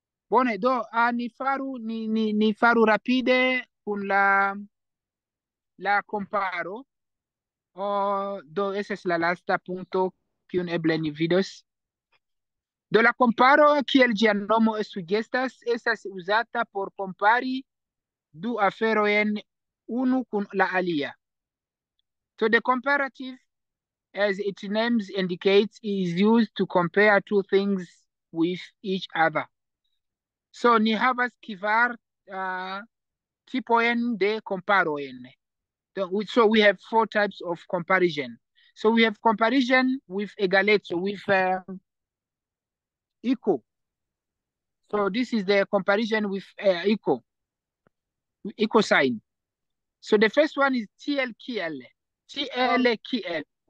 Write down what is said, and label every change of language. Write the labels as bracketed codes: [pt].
[eo] Bone, do ni faru rapide kun la komparo. Do estas la lasta punkto kiun eble ni vidos. Do la comparo kiel ĝia nomo sugestas estas uzata por kompari du aferojn unu kun la alia. [en] So the comparative, as its name indicates, is used to compare two things with each other. [eo] So ni havas kvar tipojn de komparojn. [en] So we have four types of comparison. So we have comparison with egaleco, with equal. So this is the comparison with equal sign. So the first one is TLKL. TLKL.